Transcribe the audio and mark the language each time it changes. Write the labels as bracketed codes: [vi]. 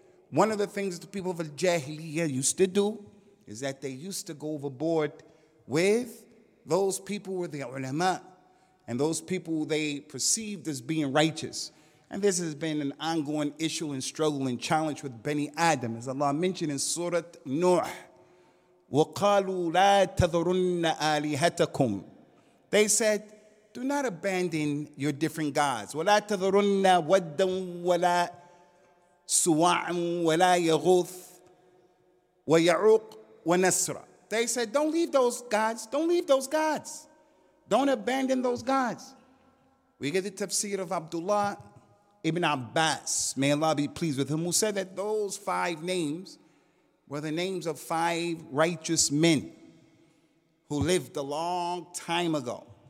[en] One of the things that the people of Al-Jahiliyyah used to do is that they used to go overboard with those people were the ulama, and those people they perceived as being righteous. And this has been an ongoing issue and struggle and challenge with Bani Adam, as Allah mentioned in Surah Nuh. [ar] وَقَالُوا لَا تَذَرُنَّ آلِهَتَكُمْ [en] They said, do not abandon your different gods. [ar] وَلَا تَذَرُنَّ وَدًّا وَلَا سُوَاعًا وَلَا يَغُوثْ وَيَعُوقْ وَنَسْرًا [en] They said, don't leave those gods. Don't leave those gods. Don't abandon those gods. We get the tafsir of Abdullah ibn Abbas, may Allah be pleased with him, who said that those five names were the names of five righteous men who lived a long time ago.